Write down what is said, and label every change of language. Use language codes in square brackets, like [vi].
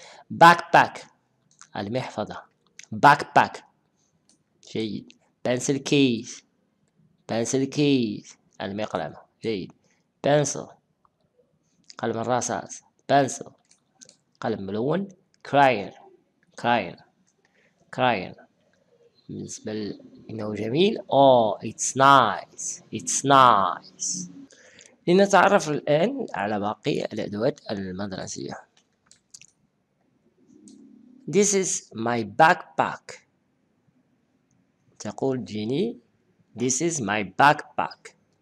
[ar] باك باك المحفظة، باك باك جيد، بنسل كيس، بنسل كيس المقلمة جيد، بنسل قلم الرصاص، بنسل قلم ملون كراير كراير كراير. بالنسبة إنه جميل، [en] it's nice it's nice. [ar] لنتعرف الآن على باقي الأدوات المدرسية. [en] This is my backpack، [ar] تقول جيني [en] This is my backpack.